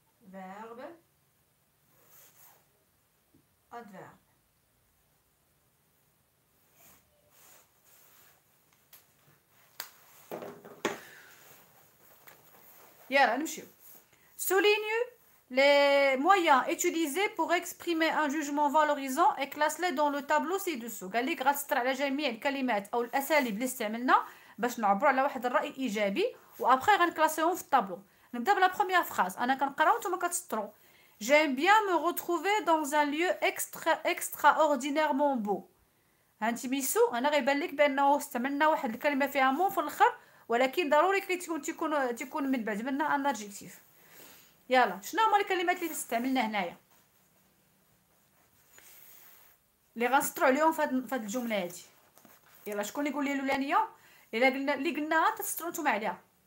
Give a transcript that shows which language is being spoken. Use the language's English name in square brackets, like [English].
[Arabic] فيرب ادفيرب يلا نمشيو. [French] سولينيو Les moyens utilisés pour exprimer un jugement valorisant et classe-les dans le tableau ci-dessous. [Arabic] قال لي [French] grâce à la jamie [Arabic] les كلمات او الاساليب اللي استعملنا باش نعبروا على واحد الراي ايجابي و ابري غنكلاسيهم في الطابلو. نبدا بلا بروميير فراز، انا كنقرا و نتوما كتسطروا. [French] J'aime bien me retrouver dans un lieu extraordinairement beau. [Arabic] هانتي ميسو انا غيبان لك بانه استعملنا واحد الكلمه فيها مون في الاخر، ولكن ضروري كي تكون من بعد منها ان ادجكتيف. يلا شنو هما الكلمات اللي استعملنا هنايا اللي غنسطروا عليهم فهاد الجمله هادي؟ يلا شكون يقول لي الاولانيه؟ الا قلنا اللي قلنا تسطروا نتوما عليها.